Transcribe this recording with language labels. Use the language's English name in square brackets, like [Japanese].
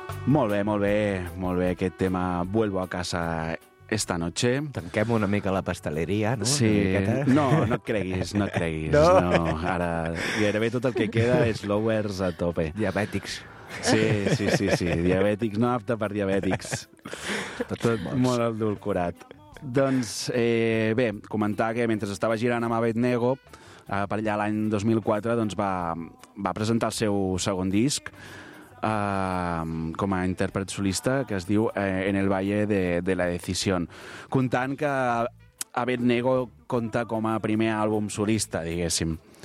[Catalan] Molt bé, molt bé, molt bé aquest tema. [Spanish] Vuelvo a casa esta noche. [Catalan] Tanquem una mica la pasteleria, no? Sí. No, no et creguis, no et creguis. No. No. Ara gairebé tot el que queda és lowers a tope. Diabètics. Sí, sí, sí, sí. Diabètics, no apte per diabètics. Tot molt edulcorat. Doncs, bé, comentar que mentre estava girant amb Abednego, per allà l'any 2004, doncs va presentar el seu segon disc, com a intèrpret solista, que es diu En el Valle de la Decisión, comptant que Abednego compta com a primer àlbum solista, diguéssim.